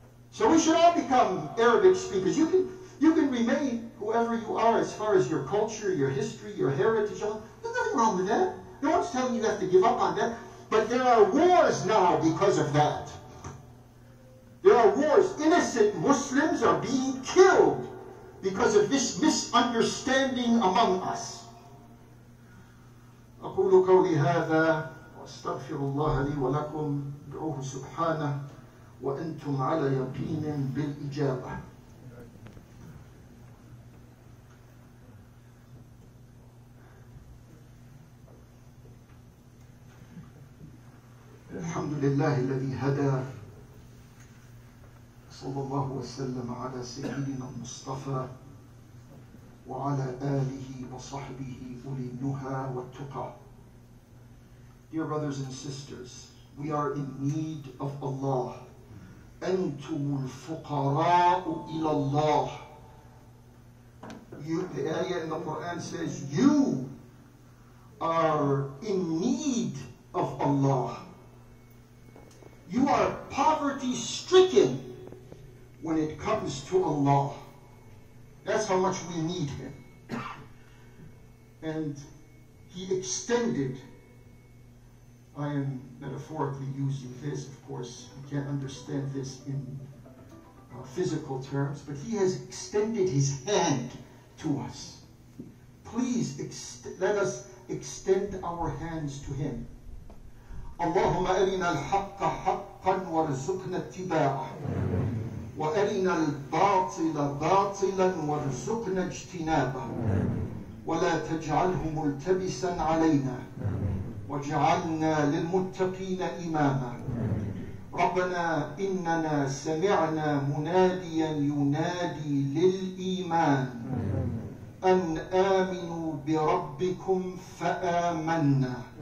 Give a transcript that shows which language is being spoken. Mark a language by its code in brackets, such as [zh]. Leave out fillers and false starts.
[en] So we should all become Arabic speakers. You can remain whoever you are, as far as your culture, your history, your heritage, there's nothing wrong with that. No one's telling you have to give up on that. But there are wars now because of that. There are wars. Innocent Muslims are being killed because of this misunderstanding among us. [ar] أقول قولي هذا وأستغفر الله لي ولكم دعوه سبحانه وأنتم على يقين بالإجابة. الحمد لله الذي هدى صلى الله وسلم على سيدنا المصطفى وعلى آله وصحبه أولي النهى والتقى. [en] Dear brothers and sisters, we are in need of Allah. [ar] أنتم الفقراء إلى الله. [en] The ayah in the Quran says, you are in need of Allah. You are poverty stricken when it comes to Allah. That's how much we need Him. And He extended, I am metaphorically using this, of course, you can't understand this in physical terms, but He has extended His hand to us. Please let us extend our hands to Him. [ar] اللهم أرنا الحق حقا وارزقنا اتباعه وأرنا الباطل باطلا وارزقنا اجتنابه ولا تجعله ملتبسا علينا واجعلنا للمتقين إماما ربنا إننا سمعنا مناديا ينادي للإيمان أن آمنوا بربكم فآمنا